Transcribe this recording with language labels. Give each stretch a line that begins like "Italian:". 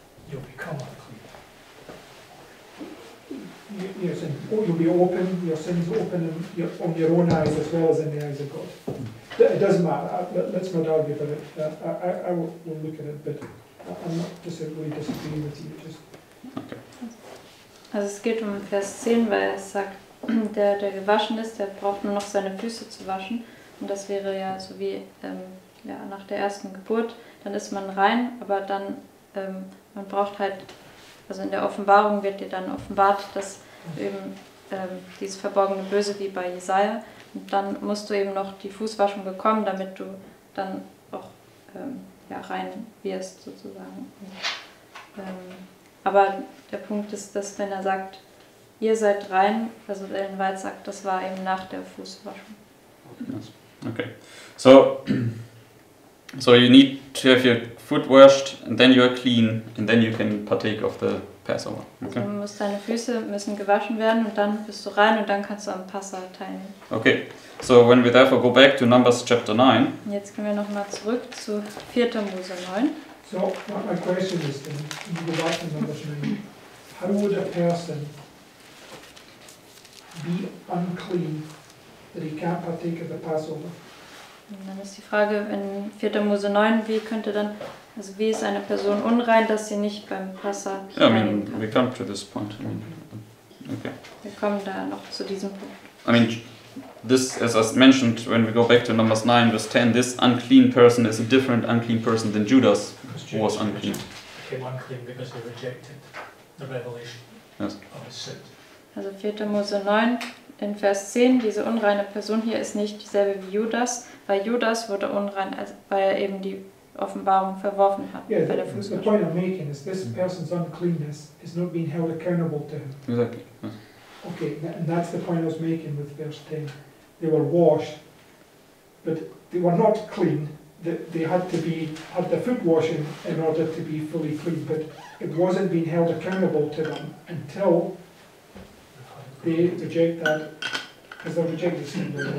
English: you'll become unclean. Yes, and you'll be open, your sins open on your own eyes as well as in the eyes of God. It doesn't matter. Let's not argue about it. I will look at it, but I'm not really disagreeing with you. Just.
German: Also es geht Vers 10, weil er sagt, der gewaschen ist, der braucht nur noch seine Füße zu waschen. Und das wäre ja so wie nach der ersten Geburt, dann ist man rein, aber dann, man braucht halt, also in der Offenbarung wird dir dann offenbart, dass eben dieses verborgene Böse wie bei Jesaja, und dann musst du eben noch die Fußwaschung bekommen, damit du dann auch rein wirst sozusagen. Aber der Punkt ist, dass wenn er sagt, ihr seid rein, also Ellen White sagt, das war eben nach der Fußwaschung.
English: Okay, so you need to have your foot washed, and then you are clean, and then you can partake of the Passover. Okay.
German: Also deine Füße müssen gewaschen werden, und dann bist du rein, und dann kannst du am Passah teilnehmen.
English: Okay, so when we therefore go back to Numbers chapter 9.
German: Jetzt gehen wir nochmal zurück zu 4. Mose 9.
English: So, my question is then, in the back to Numbers 9, how would a person be unclean that he can't partake of the Passover?
German: Und dann ist die Frage in 4. Mose 9, wie ist eine Person unrein, dass sie nicht beim Passah teilnehmen kann?
English: We come to this point. I mean, okay.
German: Wir kommen da noch zu diesem Punkt.
English: I mean, this, as I mentioned, when we go back to Numbers 9, verse 10, this unclean person is a different unclean person than Judas, who was unclean. Because Judas became unclean because they rejected the revelation of his sin.
German: Also 4. Mose 9, in Vers 10, diese unreine Person hier ist nicht dieselbe wie Judas, weil Judas wurde unrein, weil er eben die Offenbarung verworfen hat. Yeah, bei der Fußwaschung.
English: The point I'm making is this person's uncleanness is not being held accountable to him. Exactly. Yes. Okay, and that's the point I was making with verse 10. They were washed, but they were not clean. They had to be had the foot washing in order to be fully clean, but it wasn't being held accountable to them until they reject that, because they rejected sin.